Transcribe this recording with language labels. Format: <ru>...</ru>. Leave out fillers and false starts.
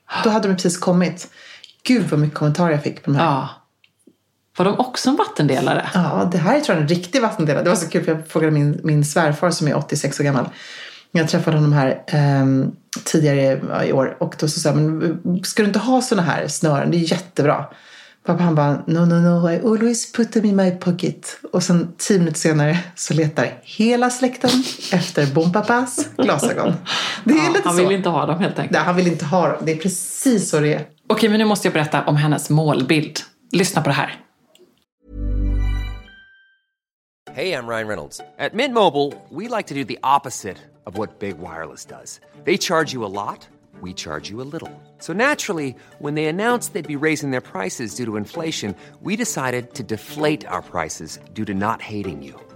<sv>Då hade de precis kommit. Gud vad mycket kommentarer jag fick på de här. Ja. Var de också en vattendelare? Ja, det här är, tror jag, en riktig vattendelare. Det var så kul, för jag frågade min svärfar som är 86 år gammal. Jag träffade honom här tidigare i år. Och då så sa jag, men ska du inte ha såna här snören? Det är jättebra. Pappa, han bara,</sv> <en>no, I always put them in my pocket.</en> <sv>Och sen 10 minuter senare så letar hela släkten efter bompappas glasögon. Det är lite så. Han vill inte ha dem, helt enkelt. Nej, han vill inte ha dem. Det är precis så det är. Okej, men nu måste jag berätta om hennes målbild. Lyssna på det här.</sv> <en>Hey, I'm Ryan Reynolds. At Mint Mobile, we like to do the opposite of what Big Wireless does. They charge you a lot, we charge you a little. So naturally, when they announced they'd be raising their prices due to inflation, we decided to deflate our prices due to not hating you.</en>